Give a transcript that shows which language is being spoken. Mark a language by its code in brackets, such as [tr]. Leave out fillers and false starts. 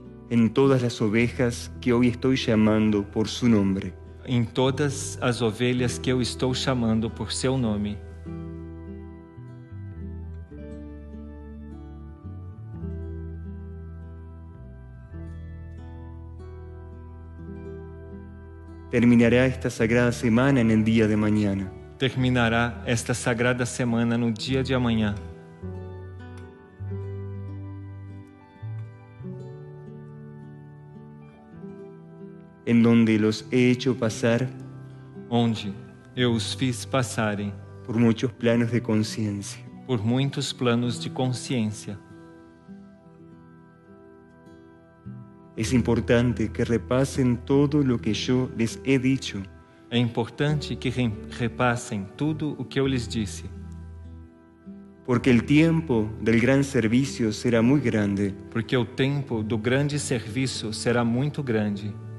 [es] En todas las ovejas que hoy estoy llamando por su nombre. [pt] Em todas as ovelhas que eu estou chamando por seu nome. Terminará esta sagrada semana no dia de amanhã. Terminará esta sagrada semana no dia de amanhã. [es] En donde los he hecho pasar, [pt] onde eu os fiz passarem, [es] por muchos planos de consciência, [pt] por muitos planos de consciência. [es] Es importante que repasen todo lo que yo les he dicho. [pt] É importante que repassem tudo o que eu lhes disse. [es] Porque el tiempo del gran servicio será muy grande. [pt] Porque o tempo do grande serviço será muito grande.